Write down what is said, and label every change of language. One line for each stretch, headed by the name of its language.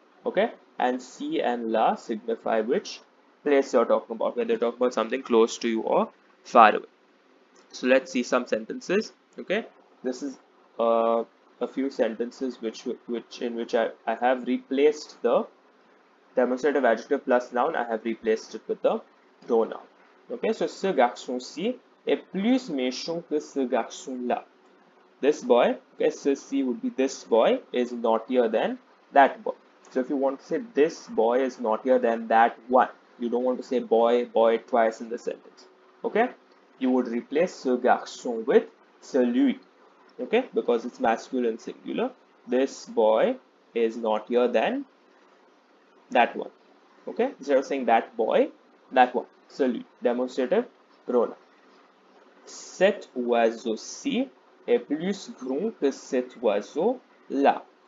English: Okay, and C and la signify which place you're talking about, whether you're talking about something close to you or far away. So let's see some sentences. Okay, this is a few sentences which I have replaced the demonstrative adjective plus noun. I have replaced it with the pronoun. Okay, so
French: ce garçon-ci est plus méchant que ce garçon-là.
English: This boy, okay, ceci would be this boy is naughtier than that boy. So if you want to say this boy is naughtier than that one, you don't want to say boy twice in the sentence. Okay, you would replace ce garçon with celui. Okay, because it's masculine singular, this boy is naughtier than that one. Okay, instead of saying that boy, that one, celui, demonstrative pronoun.
French: Cet oiseau-ci est plus grand que cet oiseau-là.